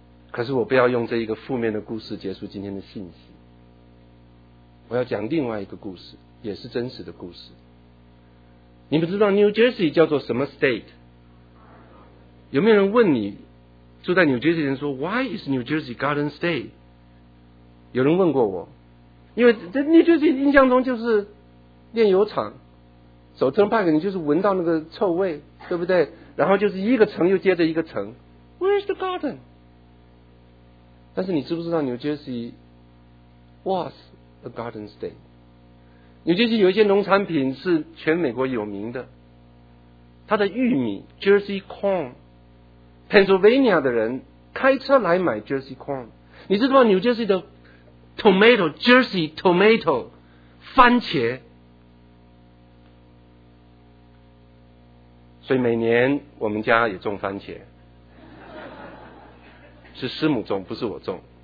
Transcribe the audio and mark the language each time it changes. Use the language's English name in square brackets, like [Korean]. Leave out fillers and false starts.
[Chinese] 可是我不要用这一个负面的故事结束今天的信息，我要讲另外一个故事，也是真实的故事。你们知道 New Jersey 叫做什么 state？有没有人问你，住在 New Jersey 人说 [English] Why is New Jersey Garden State？ [Chinese] 有人问过我，因为在 New Jersey 印象中就是炼油厂，走 Turnpike 你就是闻到那个臭味，对不对？然后就是一个城又接着一个城， [English] Where is the garden？ [Chinese] 但是你知不知道 [English] New Jersey was a garden state？ [Chinese] 纽约市有一些农产品是全美国有名的，它的玉米 Jersey Corn， Pennsylvania 的人开车来买 Jersey Corn。你知道吗？纽约市的 Tomato Jersey Tomato 番茄，所以每年我们家也种番茄，是师母种，不是我种。